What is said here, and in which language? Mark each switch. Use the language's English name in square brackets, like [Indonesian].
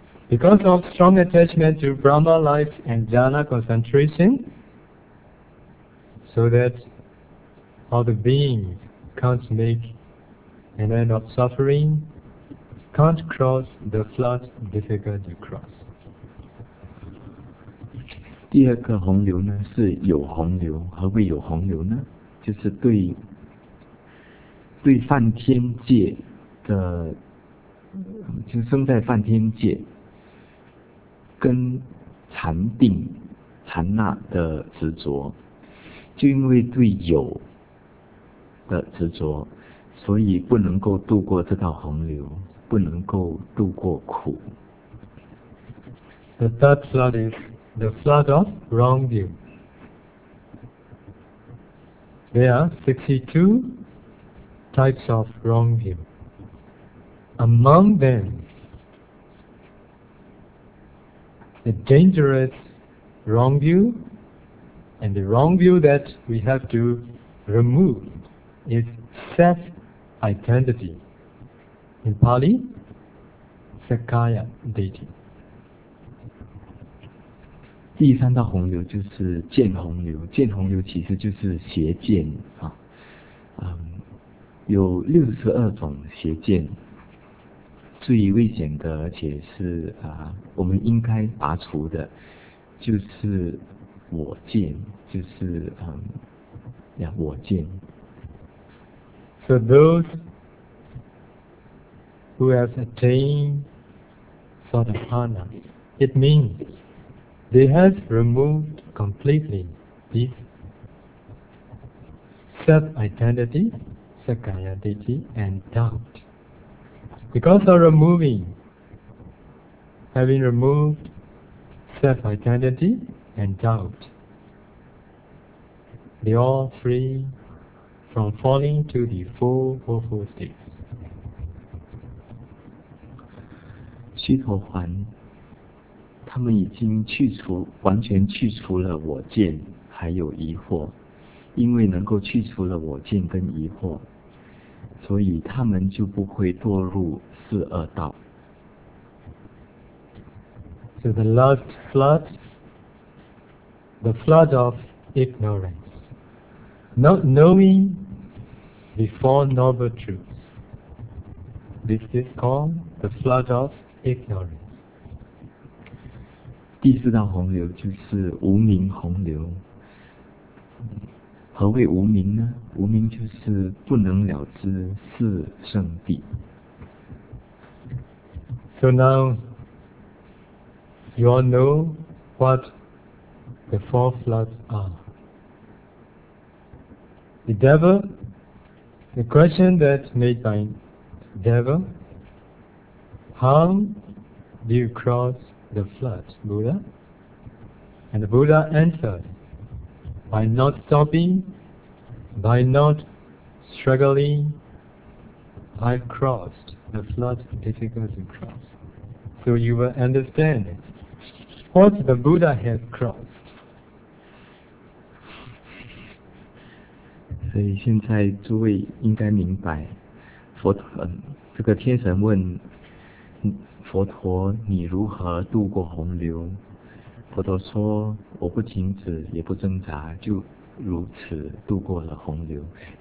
[English] Because of strong attachment to Brahma life and jhana concentration, so that all the beings can't make an end of suffering, can't cross the flood difficult to cross. [Chinese] 第二个洪流呢是有洪流，何谓有洪流呢？就是对梵天界的，就生在梵天界，跟禅定、禅那的执着。就因为对有的执着，所以不能够度过这道洪流，不能够度过苦。 [English] The third flood is the flood of wrong view. There are 62 types of wrong view. Among them, the dangerous wrong view. And the wrong view that we have to remove is self-identity. In Pali, Sakaya Diti. [Chinese] 第三道洪流就是见洪流，见洪流其实就是邪见啊。有62种邪见，最危险的，而且是我们应该拔除的，就是我见。就是我见。 [English] So those who have attained sotapanna, it means they have removed completely this self-identity, sakaya-ditti, and doubt. Because of having removed self-identity and doubt,They are all free from falling to the four woeful states. [Chinese] 须陀洹，他们已经完全去除了我见还有疑惑，因为能够去除了我见跟疑惑，所以他们就不会堕入四恶道。 [English] So the last flood, the flood of ignorance. Not knowing the four noble truths. This is called the flood of ignorance. [Chinese] 第四道洪流就是无明洪流。何谓无明呢？无明就是不能了知四圣谛。 [English] So now, you all know what the four floods are. The devil, the question that made by devil, how do you cross the flood, Buddha? And the Buddha answered, by not stopping, by not struggling, I crossed the flood difficult to cross. So you will understand what the Buddha has crossed. [Chinese] 所以现在诸位应该明白，佛陀这个天神问佛陀：“你如何度过洪流？” 佛陀说：“我不停止，也不挣扎，就如此度过了洪流。”